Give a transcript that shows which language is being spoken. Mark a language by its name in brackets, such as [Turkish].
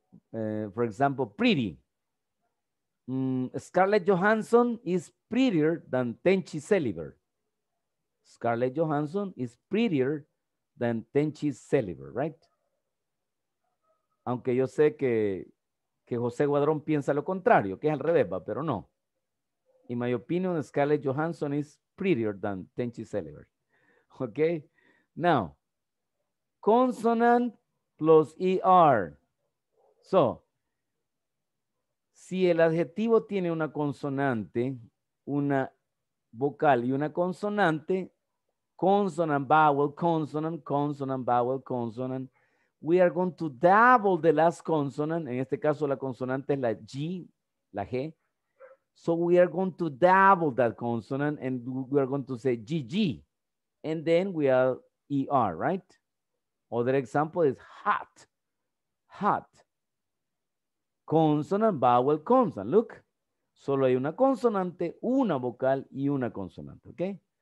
[English] For example, pretty. Scarlett Johansson is prettier than Tenchi Seliver. Scarlett Johansson is prettier than Tenchi Seliver, right? [Spanish] Aunque yo sé que José Guadrón piensa lo contrario, que es al revés, pero no. [English] In my opinion, Scarlett Johansson is prettier than Tenchi Seliver. Okay? Now, consonant plus ER. So, [Spanish] si el adjetivo tiene una consonante, [English] una vocal y una consonante, consonant, vowel, consonant, we are going to double the last consonant. [Spanish] En este caso, la consonante es la G, la G. [English] So we are going to double that consonant and we are going to say GG. And then we are ER, right? Other example is hot. Hot. Consonant, vowel, consonant. Look. [Spanish] Solo hay una consonante, una vocal y una consonante, okay?